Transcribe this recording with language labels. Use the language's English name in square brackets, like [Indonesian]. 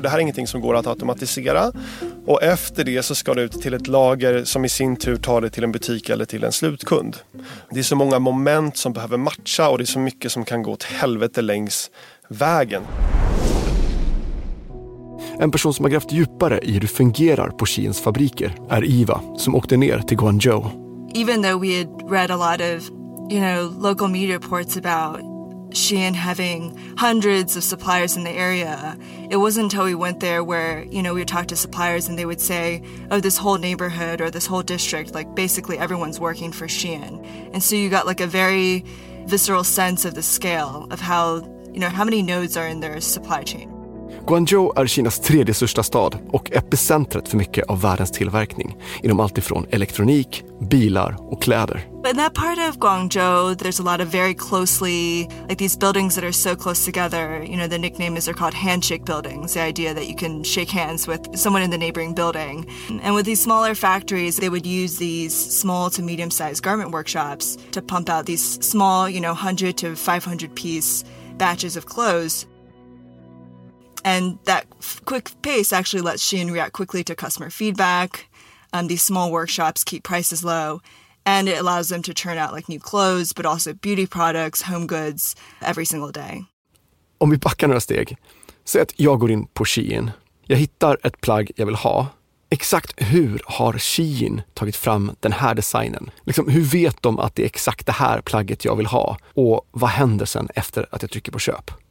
[Swedish] Det här är ingenting som går att automatisera. Och efter det så ska det ut till ett lager som i sin tur tar det till en butik eller till en slutkund. Det är så många moment som behöver matcha och det är så mycket som kan gå åt helvete längs vägen. En person som har grävt djupare i hur det fungerar på Sheins fabriker är Eva, som åkte ner till Guangzhou. [English] Even though we had read a lot of, you know, local media reports about Shein having hundreds of suppliers in the area, it wasn't until we went there where, you know, we talked to suppliers and they would say, oh, this whole neighborhood or this whole district, like basically everyone's working for Shein. And so you got like a very visceral sense of the scale of how, you know, how many nodes are in their supply chain. [Swedish] Guangzhou är Kinas tredje största stad och epicentret för mycket av världens tillverkning inom allt ifrån elektronik, bilar och kläder. [English] In that part of Guangzhou, there's a lot of very closely, like these buildings that are so close together, you know, the nickname is, they're called handshake buildings, the idea that you can shake hands with someone in the neighboring building. And with these smaller factories, they would use these small to medium-sized garment workshops to pump out these small, you know, 100 to 500 piece batches of clothes. And that quick pace actually lets Shein react quickly to customer feedback. These small workshops keep prices low, and it allows them to churn out like new clothes, but also beauty products, home goods, every single day. [Swedish] Om vi backar några steg, säg att jag går in på Shein. Jag hittar ett plagg jag vill ha. Exakt hur har Shein tagit fram den här designen? Liksom, hur vet de att det är exakt det här plagget jag vill ha? Och vad händer sen efter att jag trycker på köp?